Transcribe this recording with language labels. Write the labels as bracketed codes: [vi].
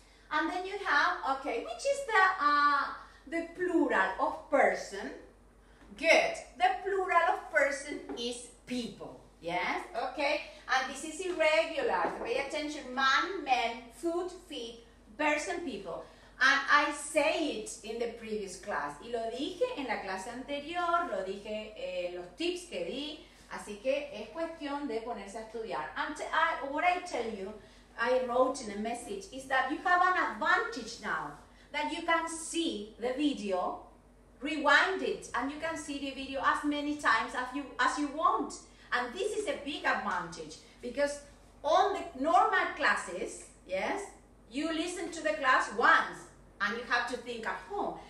[en] And then you have, okay, which is the plural of person? Good. The plural of person is people. Yes, okay. And this is irregular. So pay attention. Man, men, foot, feet, person, people. And I say it in the previous class. [es] Y lo dije en la clase anterior, lo dije los tips que di. Así que es cuestión de ponerse a estudiar. [en] And what I tell you, I wrote in a message, is that you have an advantage now. That you can see the video, rewind it, and you can see the video as many times as you want. And this is a big advantage. Because on the normal classes, yes, you listen to the class once, and you have to think at home.